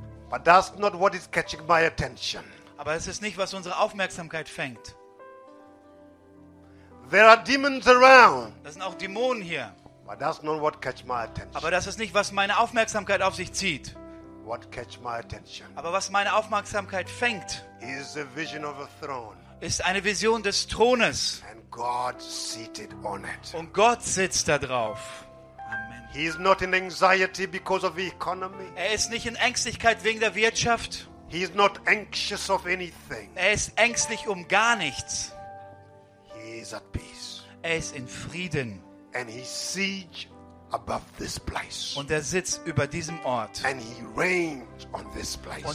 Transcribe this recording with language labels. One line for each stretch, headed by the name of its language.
English: But that's not what is catching my attention.
German: Aber es ist nicht, was unsere Aufmerksamkeit fängt.
English: There are demons around.
German: Das sind auch Dämonen hier.
English: But that's not what catch my attention.
German: Aber das ist nicht, was meine Aufmerksamkeit auf sich zieht.
English: What catch my attention?
German: Aber was meine Aufmerksamkeit fängt,
English: is the vision of a throne.
German: Ist eine Vision des Thrones.
English: And God seated on it.
German: Und Gott sitzt da drauf. Amen.
English: He is not in anxiety because of the economy.
German: Er ist nicht in Ängstlichkeit wegen der Wirtschaft.
English: He is not anxious of anything.
German: Er ist ängstlich um gar nichts.
English: Is at peace.
German: Er ist in Frieden.
English: And he sits above this place.
German: Und er sitzt über diesem Ort.
English: And he reigns on this place.